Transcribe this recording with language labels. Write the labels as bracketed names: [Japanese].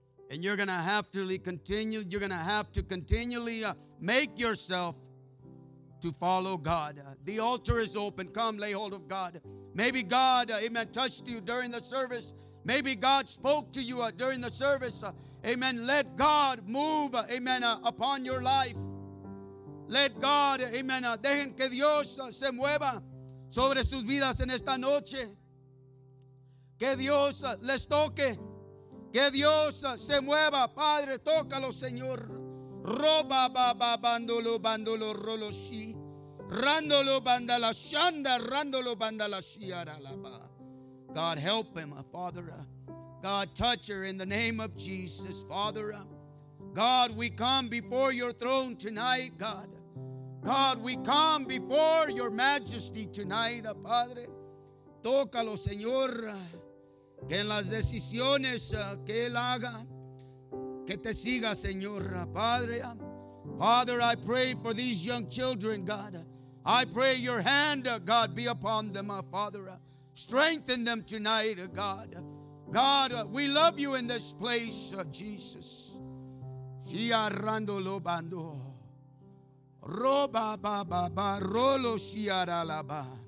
[English] And you're going to have to continue. You're going to have to continually make yourself to follow God. The altar is open. Come, lay hold of God. Maybe God, amen, touched you during the service. Maybe God spoke to you during the service. Amen. Let God move, amen, upon your life. Let God, amen, [Spanish] dejen que Dios se mueva sobre sus vidas en esta noche. Que Dios les toque. Que Dios se mueva. Padre, tócalo, Señor. Roba, baba, bandolo, bandolo, rolo, shi. Randolo, bandala, shanda, randolo, bandala, shi, aralaba. [English] God, help him, Father. God, touch her in the name of Jesus, Father. God, we come before your throne tonight, God. God, we come before your majesty tonight, Padre. [Spanish] Tócalo, Señor. Que en las decisiones que él haga, que te siga, Señor, Padre. [English] Father, I pray for these young children, God. I pray your hand, God, be upon them, Father. Strengthen them tonight, God. God, we love you in this place, Jesus. Si arrando lo bando. Ro ba ba ba ba, ro lo si aralaba.